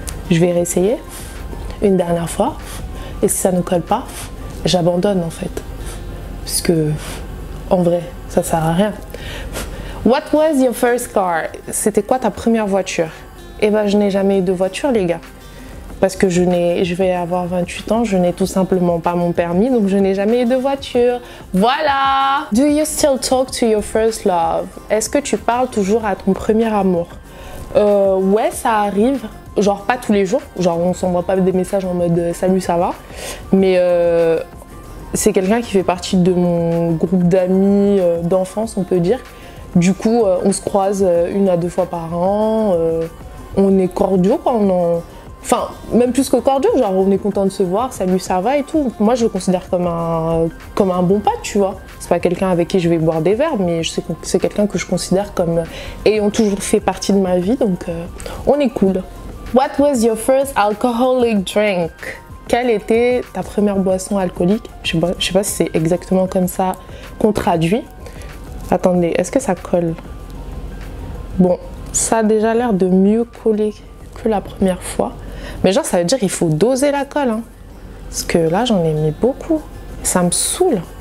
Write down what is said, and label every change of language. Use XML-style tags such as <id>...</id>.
<fr>Je vais réessayer une dernière fois, et si ça ne colle pas, j'abandonne, en fait, parce que en vrai, ça sert à rien.</fr> <en>What was your first car?</en> <fr>C'était quoi ta première voiture? Eh ben, je n'ai jamais eu de voiture, les gars. Parce que je vais avoir 28 ans, je n'ai tout simplement pas mon permis, donc je n'ai jamais eu de voiture. Voilà!</fr> <en>Do you still talk to your first love?</en> <fr>Est-ce que tu parles toujours à ton premier amour? Ouais, ça arrive. Genre, pas tous les jours. Genre, on s'envoie pas des messages en mode « Salut, ça va ?» Mais c'est quelqu'un qui fait partie de mon groupe d'amis d'enfance, on peut dire. Du coup, on se croise une à deux fois par an. On est cordiaux quand on en... Enfin, même plus que cordiaux, genre on est content de se voir, salut, ça va et tout. Moi, je le considère comme un bon pote, tu vois. C'est pas quelqu'un avec qui je vais boire des verres, mais je sais que c'est quelqu'un que je considère comme ayant toujours fait partie de ma vie, donc on est cool.</fr> <en>What was your first alcoholic drink?</en> <fr>Quelle était ta première boisson alcoolique? Je sais pas si c'est exactement comme ça qu'on traduit. Attendez, est-ce que ça colle? Bon, ça a déjà l'air de mieux coller que la première fois. Mais genre, ça veut dire qu'il faut doser la colle. Hein. Parce que là, j'en ai mis beaucoup. Ça me saoule.</fr>